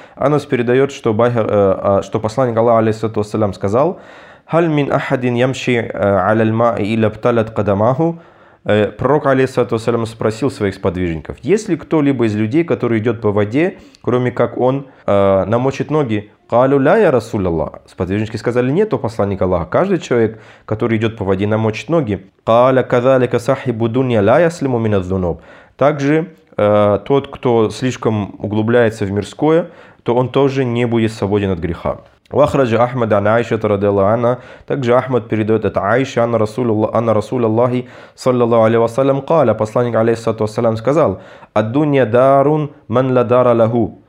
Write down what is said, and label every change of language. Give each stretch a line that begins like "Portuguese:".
Russian: Анас передает, что что посланник Аллаха алейхи ва саллям сказал:
Arabic: "Хал мин ахадин ямши аля аль-маи илля бталат кадамаху?"
Russian: Пророк алейхи ва саллям спросил своих сподвижников: "Есть ли кто-либо из людей, который идет по воде, кроме как он намочит ноги?"
Arabic: قالوا لا يا رسول الله.
Russian: Сподвижники сказали: "Нет, о посланник Аллаха. Каждый человек, который идет по воде, намочит ноги".
Arabic: قال كذلك صاحب الدنيا لا يسلم من الذنوب.
Russian: Также тот, кто слишком углубляется в мирское, то он тоже не будет свободен от греха.
Arabic: Вахраджа Ахмад ан Айша ради Аллаху анха.
Russian: Также Ахмад передает от Айши
Arabic: анна расуля Аллахи
Russian: саллаллаху алейхи ва саллям قال. Посланник алейхи ва саллям сказал:
Arabic: "Ад-дунья дарун ман ла дара лаху".